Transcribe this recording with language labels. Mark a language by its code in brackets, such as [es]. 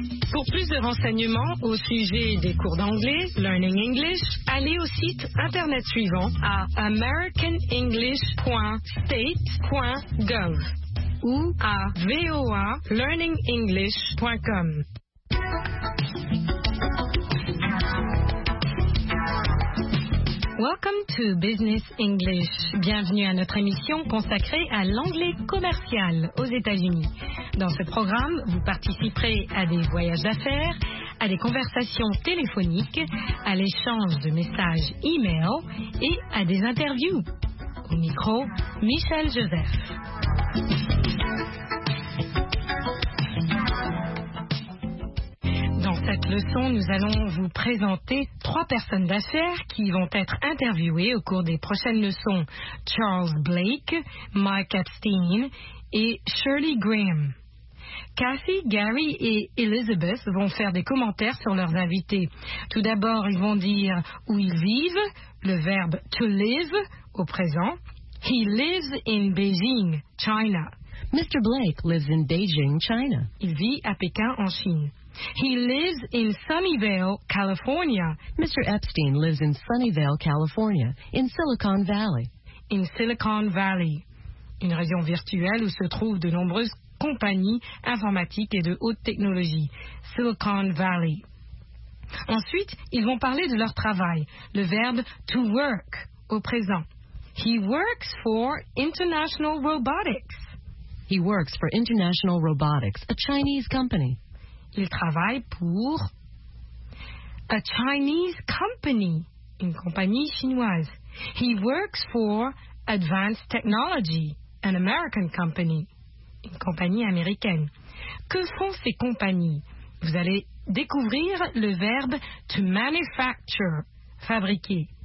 [fr] Pour plus de renseignements au sujet des cours d'anglais, Learning English, allez au site internet suivant à americanenglish.state.gov ou à voalearningenglish.com. [en] Welcome to Business English. [fr] Bienvenue à notre émission consacrée à l'anglais commercial aux États-Unis. Dans ce programme, vous participerez à des voyages d'affaires, à des conversations téléphoniques, à l'échange de messages e-mail et à des interviews. Au micro, Michel Joseph. Cette leçon, nous allons vous présenter trois personnes d'affaires qui vont être interviewées au cours des prochaines leçons. Charles Blake, Mike Epstein et Shirley Graham. Kathy, Gary et Elizabeth vont faire des commentaires sur leurs invités. Tout d'abord, ils vont dire où ils vivent, le verbe to live au présent. [en] He lives in Beijing, China. Mr. Blake lives in Beijing, China. [fr] Il vit à Pékin, en Chine. [en] He lives in Sunnyvale, California. Mr. Epstein lives in Sunnyvale, California, in Silicon Valley. [fr] In Silicon Valley, une région virtuelle où se trouvent de nombreuses compagnies informatiques et de haute technologie. Silicon Valley. Ensuite, ils vont parler de leur travail, le verbe to work au présent. [en] He works for International Robotics. He works for International Robotics, a Chinese company. [fr] Il travaille pour [en] a Chinese company, [fr] une compagnie chinoise. [en] He works for Advanced Technology, an American company, [fr] une compagnie américaine. Que font ces compagnies? Vous allez découvrir le verbe to manufacture, fabriquer.